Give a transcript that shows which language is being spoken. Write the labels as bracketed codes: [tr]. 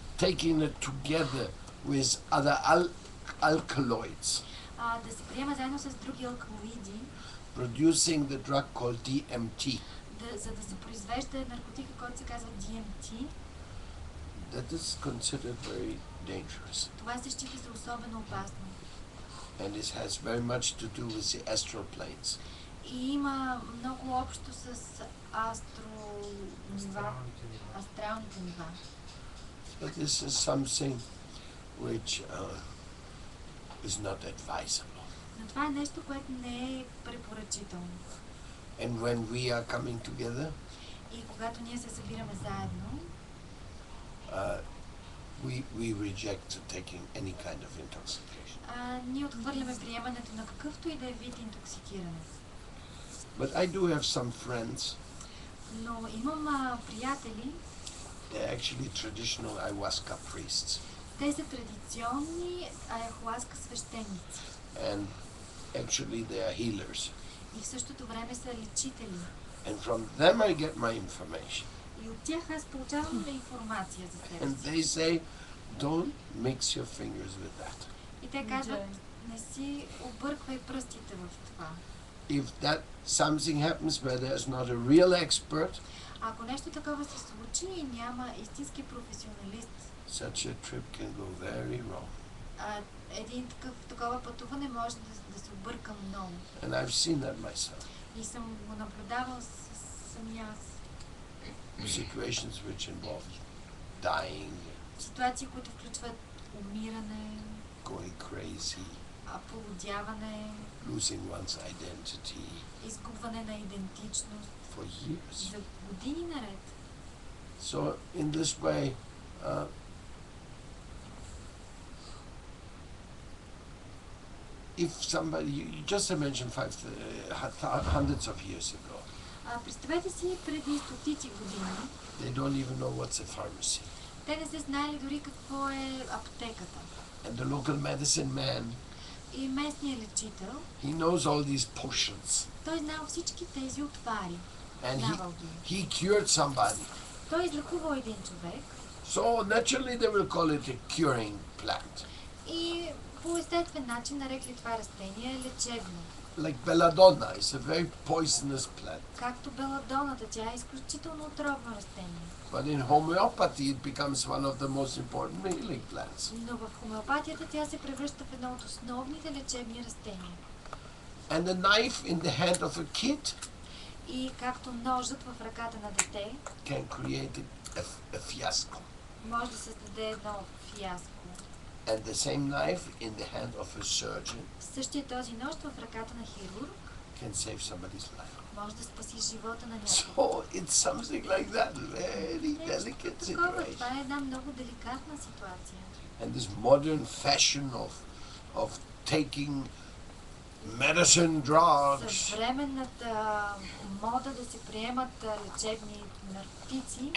[en] Taking it together with other alkaloids. [bg] Да се приема заедно с други алкалоиди. [en] Producing the drug called DMT. [bg] За да се произвежда наркотика, който се казва DMT. [en] That is considered very dangerous. [bg] Това се счита за особено опасно. [en] And it has very much to do with the astral planes. [bg] И има много общо с астралните нива. [en] But this is something which is not advisable. [bg] Но това е нещо, което не е препоръчително. [en] And when we are coming together, [bg] и когато ние се събираме заедно, [en] we reject taking any kind of intoxication. [bg] Ние отхвърляме приемането на какъвто и да е вид интоксикиране. [en] But I do have some friends. [bg] Но имам приятели. [en] They're actually traditional ayahuasca priests. [bg] Те са традиционни айхуаска свещеници. [en] And actually they are healers. [bg] И в същото време са лечители. [en] And from them I get my information. [bg] И от тях аз получавам информация за себе си. [en] And they say, don't mix your fingers with that. [bg] И те казват, не си обърквай пръстите в това. [en] If that something happens where there is not a real expert, [bg] ако нещо такова се случи и няма истински професионалист, [en] such a trip can go very wrong. [bg] Един такова пътуване може да се обърка много. [en] And I've seen that myself. [bg] И съм го наблюдавал сам аз. [en] Situations which involve dying. [bg] Ситуации, които включват умиране. [en] Going crazy. [bg] Полудяване. [en] Losing one's identity. [bg] Изгубване на идентичност. [en] For years. [bg] За години наред. [en] So in this way, if somebody, you just mentioned hundreds of years ago. [bg] Представете си преди стотици години. [en] They don't even know what's a pharmacy. [bg] Те не се знаели дори какво е аптеката. [en] And the local medicine man. [bg] И местният лечител. [en] He knows all these potions. [bg] Той знае всички тези отвари. [en] And he cured somebody. [bg] Той излекувал един човек. [en] So naturally they will call it a curing plant. [bg] И по естествен начин нарекли това растение лечебно. [en] Like belladonna, it's a very poisonous plant. [bg] Както беладоната, тя е изключително отровно растение. [en] But in homeopathy it becomes one of the most important healing plants. [bg] Но в хомеопатията тя се превръща в едно от основните лечебни растения. [en] And the knife in the hand of a kid [bg] И както ножът в ръката на дете [en] can create a a fiasco. [bg] Може да се създаде едно фиаско. [en] And the same knife in the hand of a surgeon. [bg] Същия този нож в ръката на хирург. [en] Can save somebody's life. [bg] Може да спаси живота на някого. [en] So it's something like that, very delicate situation. [bg] Това е една много деликатна ситуация. [en] And this modern fashion of taking medicine drugs. [bg] Съвременната мода да се приемат лечебни наркотици.